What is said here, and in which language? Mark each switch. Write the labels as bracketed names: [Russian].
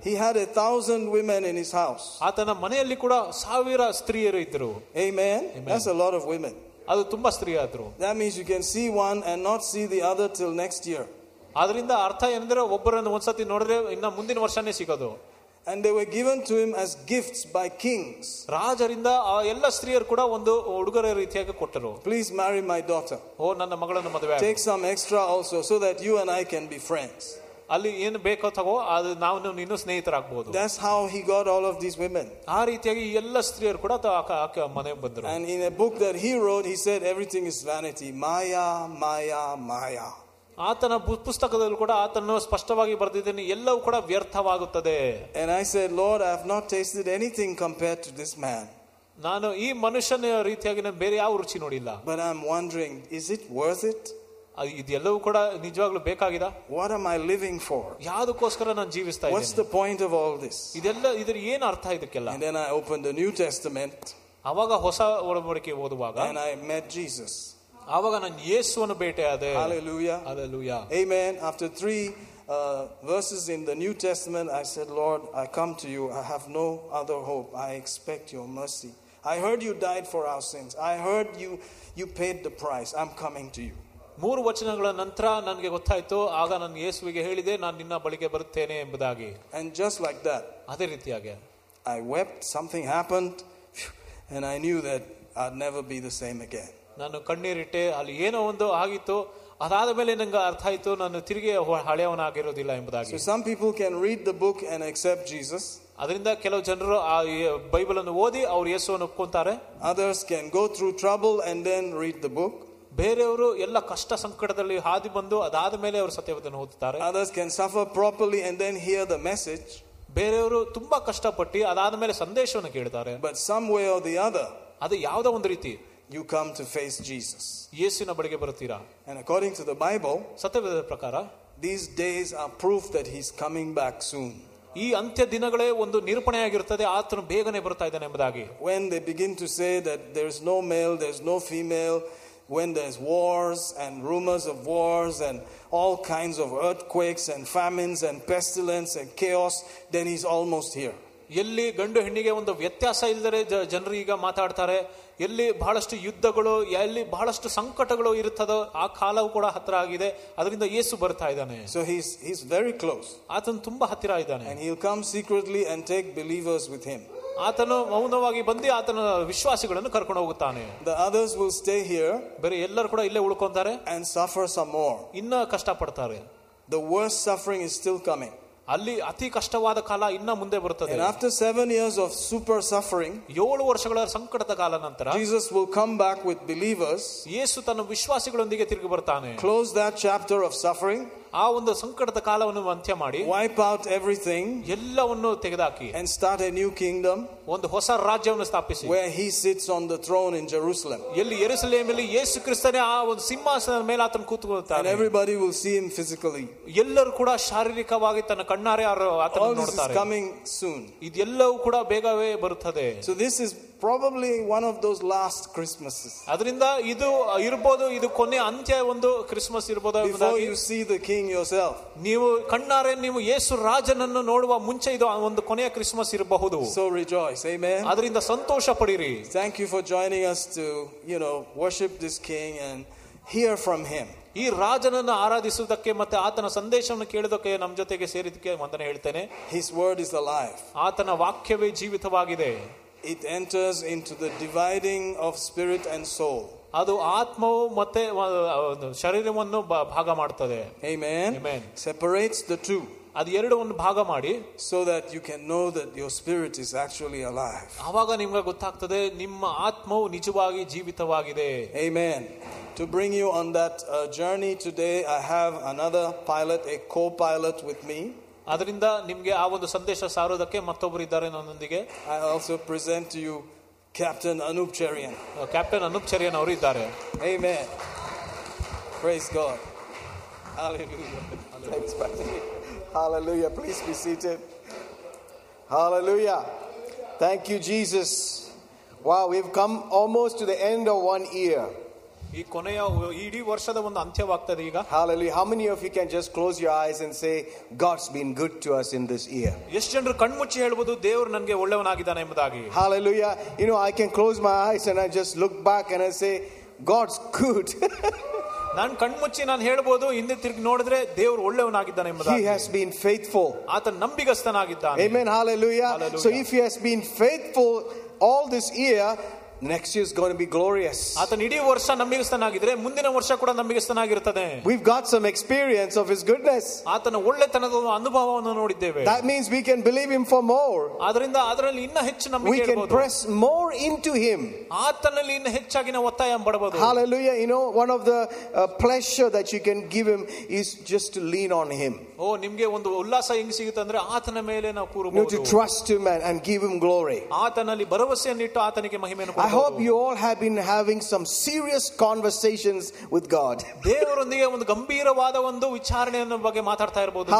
[English] He had a thousand women in his house. [Kannada] ಆತನ ಮನೆಯಲ್ಲಿ ಕೂಡ ಸಾವಿರ ಸ್ತ್ರೀಯರು ಇದ್ರು. [English] Amen. That's a lot of women. [Kannada] ಅದು ತುಂಬಾ ಸ್ತ್ರೀ ಆದ್ರು. [English] That means you can see one and not see the other till next year. [Kannada] ಅದರಿಂದ ಅರ್ಥ ಏನಂದ್ರೆ ಒಬ್ಬರನ್ನು ಒಂದ್ಸತಿ ನೋಡಿದ್ರೆ ಇನ್ನ ಮುಂದಿನ ವರ್ಷನೇ ಸಿಗೋದು. [English] And they were given to him as gifts by kings. [Kannada] ರಾಜರಿಂದ ಎಲ್ಲ ಸ್ತ್ರೀಯರು ಕೂಡ ಒಂದು ಉಡುಗೊರೆ ರೀತಿಯಾಗಿ ಕೊಟ್ಟರು. [English] Please marry my daughter. [Kannada] ಓ ನನ್ನ ಮಗಳನ್ನು ಮದುವೆ. [English] Take some extra also so that you and I can be friends. [Kannada] ಅಲ್ಲಿ ಏನ್ ಬೇಕೋ ತಗೋ, ಅದು ನಾವು ನಿನ್ನ ಸ್ನೇಹಿತರಾಗಬಹುದು. [English] That's how he got all of these women. [Kannada] ಆ ರೀತಿಯಾಗಿ ಎಲ್ಲ ಸ್ತ್ರೀಯರು ಕೂಡ ಮನೆಗೆ ಬಂದರು. [English] And in a book that he wrote, he said everything is vanity. [Kannada] Maya, Maya, Maya. ಆತನ ಪುಸ್ತಕದಲ್ಲೂ ಕೂಡ ಆತನ ಸ್ಪಷ್ಟವಾಗಿ ಬರೆದಿದ್ದೇನೆ, ಎಲ್ಲವೂ ಕೂಡ ವ್ಯರ್ಥವಾಗುತ್ತದೆ. [English] And I said, Lord, I have not tasted anything compared to this man. [Kannada] ನಾನು ಈ ಮನುಷ್ಯನ ರೀತಿಯಾಗಿ ಬೇರೆ ಯಾವ ರುಚಿ ನೋಡಿಲ್ಲ. [English] But I'm wondering, is it worth it? [Kannada] ಇದೆಲ್ಲವೂ ಕೂಡ ನಿಜವಾಗ್ಲೂ ಬೇಕಾಗಿದ? [English] What am I living for? [Kannada] ಯಾವುದಕ್ಕೋಸ್ಕರ ನಾನು ಜೀವಿಸ್ತಾ ಇದ್ದೇನೆ? [English] What's the point of all this? [Kannada] ಇದೆಲ್ಲ ಇದರ ಏನು ಅರ್ಥ ಇದಕ್ಕೆಲ್ಲ? [English] And then I opened the New Testament. [Kannada] ಅವಾಗ ಹೊಸ ಒಡಂಬಡಿಕೆ ಓದುವಾಗ. [English] And I met Jesus. [Kannada] ಆವಾಗ ನಾನು ಯೇಸುವನ್ನು ಭೇಟಿಯಾದೆ. [English] Hallelujah. Hallelujah. Amen. After 3 verses in the New Testament, I said, Lord, I come to you. I have no other hope. I expect your mercy. I heard you died for our sins. I heard you paid the price. I'm coming to you. [Kannada] ಮೂರು ವಚನಗಳ ನಂತರ ನನಗೆ ಗೊತ್ತಾಯ್ತು, ಆಗ ನಾನು ಯೇಸುವಿಗೆ ಹೇಳಿದೆ, ನಾನು ನಿನ್ನ ಬಳಿಗೆ ಬರುತ್ತೇನೆ ಎಂಬುದಾಗಿ. [English] And just like that, [Kannada] ಅದೇ ರೀತಿಯಾಗಿ [English] I wept, something happened, and I knew that I'd never be the same again. [Kannada] ನಾನು ಕಣ್ಣೀರಿಟ್ಟೆ, ಅಲ್ಲಿ ಏನೋ ಒಂದು ಆಗಿತ್ತು, ಅದಾದ ಮೇಲೆ ನನಗೆ ಅರ್ಥ ಆಯ್ತು ನಾನು ತಿರುಗಿ ಹಳೆಯವನಾಗಿರೋದಿಲ್ಲ ಎಂಬುದಾಗಿ. [English] Some people can read the book and accept Jesus. [Kannada] ಅದರಿಂದ ಕೆಲವು ಜನರು ಆ ಬೈಬಲ್ ಅನ್ನು ಓದಿ ಅವರು ಯೇಸುವನ್ನು ಒಪ್ಪಿಕೊಳ್ತಾರೆ. [English] Others can go through trouble and then read the book. [Kannada] ಬೇರೆಯವರು ಎಲ್ಲ ಕಷ್ಟ ಸಂಕಟದಲ್ಲಿ ಹಾದಿ ಬಂದು ಅದಾದ ಮೇಲೆ ಅವರು ಸತ್ಯವಚನ ಓದುತ್ತಾರೆ. [English] Others can suffer properly and then hear the message. [Kannada] ಬೇರೆಯವರು ತುಂಬಾ ಕಷ್ಟಪಟ್ಟು ಅದಾದ ಮೇಲೆ ಸಂದೇಶವನ್ನು ಕೇಳುತ್ತಾರೆ. [English] But some way or the other, [Kannada] ಅದು ಯಾವುದೋ ಒಂದು ರೀತಿ, [English] you come to face Jesus. [Kannada] ಯೇಸುವಿನ ಬಳಿಗೆ ಬರುತ್ತೀರಾ. [English] And according to the Bible, [Kannada] ಸತ್ಯವೇದ ಪ್ರಕಾರ, [English] these days are proof that he's coming back soon. [Kannada] ಈ ಅಂತ್ಯ ದಿನಗಳೇ ಒಂದು ನಿರೂಪಣೆ ಆಗಿರುತ್ತದೆ, ಆತನು ಬೇಗನೆ ಬರ್ತಾ ಇದ್ದಾನೆ ಎಂಬುದಾಗಿ. [English] When they begin to say that there is no male, there is no female, when there's wars and rumors of wars and all kinds of earthquakes and famines and pestilence and chaos, then he's almost here. [Kannada] ಎಲ್ಲಿ ಗಂಡು ಹೆಣ್ಣಿಗೆ ಒಂದು ವ್ಯತ್ಯಾಸ ಇಲ್ಲದರೆ ಜನರು ಈಗ ಮಾತಾಡ್ತಾರೆ, ಎಲ್ಲಿ ಬಹಳಷ್ಟು ಯುದ್ಧಗಳು, ಎಲ್ಲಿ ಬಹಳಷ್ಟು ಸಂಕಟಗಳು ಇರುತ್ತದೋ ಆ ಕಾಲವೂ ಕೂಡ ಹತ್ತಿರ ಆಗಿದೆ. ಅದರಿಂದ ಯೇಸು ಬರ್ತಾ ಇದ್ದಾನೆ. [English] So he's very close. [Kannada] ಆತನು ತುಂಬಾ ಹತ್ತಿರ ಇದ್ದಾನೆ. [English] And he'll come secretly and take believers with him. [Kannada] ಆತನು ಮೌನವಾಗಿ ಬಂದು ಆತನ ವಿಶ್ವಾಸಿಗಳನ್ನು ಕರ್ಕೊಂಡು ಹೋಗುತ್ತಾನೆ. [English] The others will stay here. [Kannada] ಬರೀ ಎಲ್ಲರೂ ಕೂಡ ಇಲ್ಲೇ ಉಳ್ಕೊಂತಾರೆ. [English] And suffer some more. [Kannada] ಇನ್ನ ಕಷ್ಟ ಪಡ್ತಾರೆ. [English] The worst suffering is still coming. [Kannada] ಅಲ್ಲಿ ಅತಿ ಕಷ್ಟವಾದ ಕಾಲ ಇನ್ನ ಮುಂದೆ ಬರುತ್ತದೆ. [English] And after 7 years of super suffering, [Kannada] 7 ವರ್ಷಗಳ ಸಂಕಟದ ಕಾಲ ನಂತರ, [English] Jesus will come back with believers. [Kannada] ಯೇಸು ತನ್ನ ವಿಶ್ವಾಸಿಗಳೊಂದಿಗೆ ತಿರುಗಿ ಬರ್ತಾನೆ. [English] Close that chapter of suffering. [Kannada] ಆ ಒಂದು ಸಂಕಟದ ಕಾಲವನ್ನು ಅಂತ್ಯ ಮಾಡಿ, [English] wipe out everything, [Kannada] ಎಲ್ಲವನ್ನು ತೆಗೆದಾಕಿ, [English] and start a new kingdom, [Kannada] ಒಂದು ಹೊಸ ರಾಜ್ಯವನ್ನು ಸ್ಥಾಪಿಸಿ, [English] where he sits on the throne in Jerusalem. [Kannada] ಎಲ್ಲಿ ಯೆರೂಸಲೇಮಲ್ಲಿ ಯೇಸು ಕ್ರಿಸ್ತನೇ ಆ ಒಂದು ಸಿಂಹಾಸನದ ಮೇಲೆ ಆತನು ಕೂತುಕೊಳ್ಳುತ್ತಾನೆ. [English] And everybody will see him physically. [Kannada] ಎಲ್ಲರೂ ಕೂಡ ಶಾರೀರಿಕವಾಗಿ ತನ್ನ ಕಣ್ಣಾರೆ ಆತನನ್ನು ನೋಡುತ್ತಾರೆ. [English] All this is coming soon. [Kannada] ಇದೆಲ್ಲವೂ ಕೂಡ ಬೇಗವೇ ಬರುತ್ತದೆ. [English] So this is probably one of those last Christmases. [Kannada] ಅದರಿಂದ ಇದು ಇರಬಹುದು, ಇದು ಕೊನೆ ಅಂತ್ಯ ಒಂದು ಕ್ರಿಸ್ಮಸ್ ಇರಬಹುದು. [English] Before you see the king yourself, [Kannada] ನೀವು ಕಣ್ಣಾರೆ ನೀವು ಯೇಸು ರಾಜನನ್ನು ನೋಡುವ ಮುಂಚೆ ಇದು ಒಂದು ಕೊನೆಯ ಕ್ರಿಸ್ಮಸ್ ಇರಬಹುದು. [English] So rejoice, amen. [Kannada] ಅದರಿಂದ ಸಂತೋಷ ಪಡಿರಿ. [English] Thank you for joining us to, you know, worship this king and hear from him. [Kannada] ಈ ರಾಜನನ್ನು ಆರಾಧಿಸುವುದಕ್ಕೆ ಮತ್ತೆ ಆತನ ಸಂದೇಶವನ್ನು ಕೇಳೋದಕ್ಕೆ ನಮ್ಮ ಜೊತೆಗೆ ಸೇರಿದಕ್ಕೆ ವಂದನೆ ಹೇಳ್ತೇನೆ. [English] His word is alive. [Kannada] ಆತನ ವಾಕ್ಯವೇ ಜೀವಿತವಾಗಿದೆ. [English] It enters into the dividing of spirit and soul. [Kannada] ಅದು ಆತ್ಮವು ಮತ್ತೆ ಶರೀರವನ್ನು ಭಾಗ ಮಾಡುತ್ತದೆ. [English] Amen. Amen. Separates the two. [Kannada] ಅದು ಎರಡು ಒಂದು ಭಾಗ ಮಾಡಿ, [English] so that you can know that your spirit is actually alive. [Kannada] ಆವಾಗ ನಿಮಗೆ ಗೊತ್ತಾಗ್ತದೆ ನಿಮ್ಮ ಆತ್ಮವು ನಿಜವಾಗಿ ಜೀವಿತವಾಗಿದೆ. [English] Amen. To bring you on that journey today, I have another pilot, a co-pilot with me. [Kannada] ಅದರಿಂದ ನಿಮಗೆ ಆ ಒಂದು ಸಂದೇಶ ಸಾರೋದಕ್ಕೆ ಮತ್ತೊಬ್ಬರು ಇದ್ದಾರೆ ನನ್ನೊಂದಿಗೆ. [English] I also present to you Captain Anup Charyan. [Kannada] Captain Anup Charyan ಅವರು ಇದ್ದಾರೆ. [English] Amen. Praise God. Hallelujah. Thanks, buddy. Hallelujah. Please be seated. Hallelujah. Thank you, Jesus. Wow, we've come almost to the end of 1 year. [Kannada] ಈ ಕೊನೆಯ ಇಡೀ ವರ್ಷದ ಒಂದು ಅಂತ್ಯವಾಗ್ತದೆ ಈಗ. [English] Hallelujah. How many of you can just close your eyes and say, God's been good to us in this year? [Kannada] ಎಷ್ಟು ಜನರು ಕಣ್ಮುಚ್ಚಿ ಹೇಳಬಹುದು ದೇವರು ನನಗೆ ಒಳ್ಳೆಯವನಾಗಿದ್ದಾನೆ ಎಂಬುದಾಗಿ? [English] Hallelujah. You know, I can close my eyes and I just look back and I say, God's good. [Kannada] ನಾನು ಕಣ್ಮುಚ್ಚಿ ನಾನು ಹೇಳ್ಬೋದು ಹಿಂದೆ ತಿರುಗಿ ನೋಡಿದ್ರೆ ದೇವರು ಒಳ್ಳೆಯವನಾಗಿದ್ದಾನೆ ಎಂಬುದಾಗಿ. [English] He has been faithful. [Kannada] ಆತ ನಂಬಿಗಸ್ತನಾಗಿದ್ದಾನೆ. [English] Amen. Hallelujah. So if he has been faithful all this year, next year is going to be glorious. [Kannada] ಆತನ ಇಡೀ ವರ್ಷ ನಂಬಿಗಸ್ತನಾಗಿದ್ರೆ ಮುಂದಿನ ವರ್ಷ ಕೂಡ ನಂಬಿಗಸ್ತನಾಗಿರುತ್ತದೆ. [English] We've got some experience of his goodness. [Kannada] ಆತನ ಒಳ್ಳೆತನದ ಅನುಭವವನ್ನು ನೋಡಿದ್ದೇವೆ. [English] That means we can believe him for more. [Kannada] ಅದರಿಂದ ಅದರಲ್ಲಿ ಇನ್ನ ಹೆಚ್ಚು ನಂಬಿಕೆ ಇರಬಹುದು. [English] We can press more into him. [Kannada] ಆತನಲ್ಲಿ ಇನ್ನ ಹೆಚ್ಚಾಗಿನ ಒತ್ತಾಯ ಮಾಡಬಹುದು. [English] Hallelujah. You know, one of the pleasure that you can give him is just to lean on him. [Kannada] ಓ ನಿಮಗೆ ಒಂದು ಉಲ್ಲಾಸ ಹೆಂಗ್ ಸಿಗುತ್ತೆ ಅಂದ್ರೆ ಆತನ ಮೇಲೆ ನಾವು ಕೂರಬಹುದು. [English] To trust him and give him glory. [Kannada] ಆತನಲ್ಲಿ ಭರವಸೆಯನ್ನು ಇಟ್ಟು ಆತನಿಗೆ ಮಹಿಮೆಯನ್ನು ಕೊಡಬಹುದು. [English] I hope you all have been having some serious conversations with God. [Kannada] ದೇವರೊಂದಿಗೆ ಒಂದು ಗಂಭೀರವಾದ ಒಂದು ವಿಚಾರಣೆಯನ್ನು ಬಗ್ಗೆ ಮಾತಾಡ್ತಾ ಇರಬಹುದು.